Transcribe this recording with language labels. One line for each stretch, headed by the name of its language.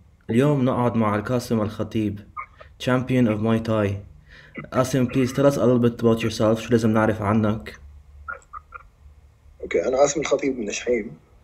Arabic: اليوم نقعد مع القاسم الخطيب
English: champion of Muay Thai. قاسم, please tell us a little bit about yourself.
Arabic: شو لازم نعرف عنك؟ اوكي، انا قاسم الخطيب من شحيم.